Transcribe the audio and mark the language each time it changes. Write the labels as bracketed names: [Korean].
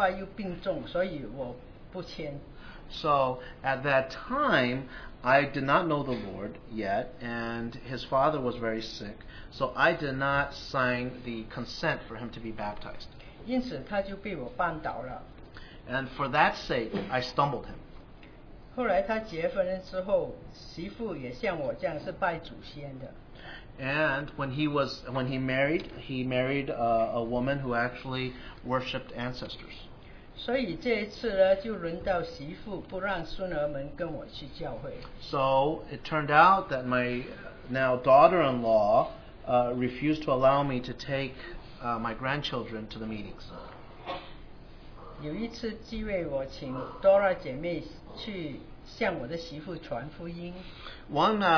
[Chinese] 但是那时候我不认识主，他的爸爸又病重，所以我不签。 [English] So at that time, I did not know the Lord yet, and his father was very sick, so I did not sign the consent for him to be baptized. [Chinese] 因此他就被我绊倒了。 [English] And for that sake, I stumbled him. [Chinese] 后来他结婚之后，媳妇也像我这样是拜祖先的。 [English] And when he married, he married a woman who actually worshipped ancestors. [Chinese] 所以这一次呢，就轮到媳妇不让孙儿们跟我去教会。 [English] So it turned out that my now daughter-in-law refused to allow me to take my grandchildren to the meetings. [Chinese] 有一次机会，我请 Dora 姐妹去向我的媳妇传福音。 [English] One